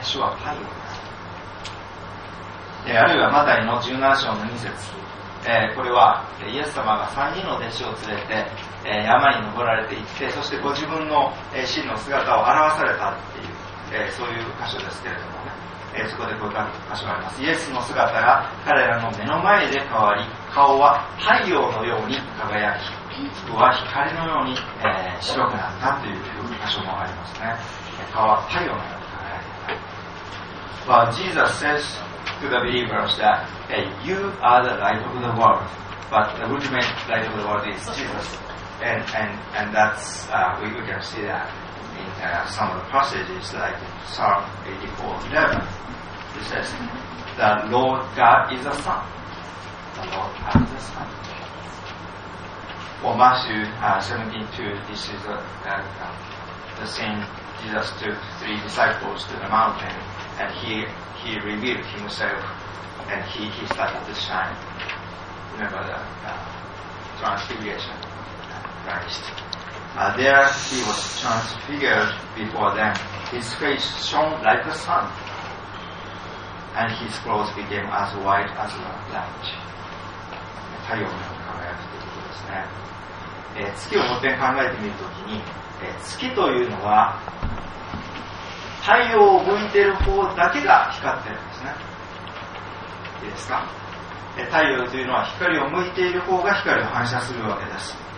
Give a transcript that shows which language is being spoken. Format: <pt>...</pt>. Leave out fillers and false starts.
<ja>主は太陽。あるいはマタイの17章の2節、これはイエス様が3人の弟子を連れて、山に登られていって、そしてご自分の、真の姿を表されたっていう、そういう箇所ですけれどもね、そこでこういった箇所があります。イエスの姿が彼らの目の前で変わり、顔は太陽のように輝き、服は光のように、白くなったという箇所もありますね。顔は太陽のように輝いている。</ja> <en>Well, Jesus saysTo the believers that hey, you are the light of the world, but the ultimate light of the world is Jesus, and that's we can see that in some of the passages like Psalm 84:11. It says, "The Lord God is the sun. The Lord God is the sun." For Matthew 17:2, this is the scene Jesus took three disciples to the mountain, and He revealed himself, and he started to shine. Remember the transfiguration of Christ. There he was transfigured before them. His face shone like the sun, and his clothes became as white as light.</en> <ja>太陽のように輝くということですね。月をもって考えてみるときに、月というのは太陽を向いている方だけが光っているんですね。いいですか。太陽というのは光を向いている方が光を反射するわけです。</ja>